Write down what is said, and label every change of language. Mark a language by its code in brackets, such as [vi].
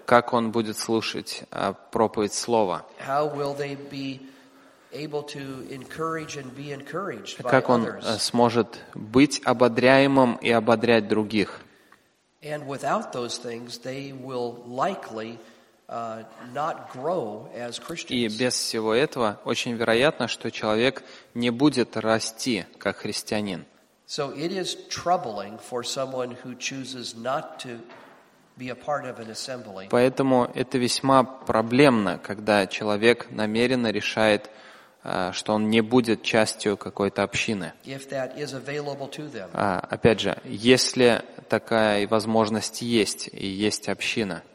[ru] Как он будет слушать проповедь Слова? [en] How will they be able to encourage and be encouraged by others? [ru] Как он сможет быть ободряемым и ободрять других? [en] And without those things, they will likely not grow as Christians. [ru] И без всего этого очень вероятно, что человек не будет расти как христианин. [en] So it is troubling for someone who chooses not to be a part of an assembly. [ru] Поэтому это весьма проблемно, когда человек намеренно решает, что он не будет частью какой-то общины. [en] If that is available to them. [ru] Опять же, если такая возможность есть и есть община.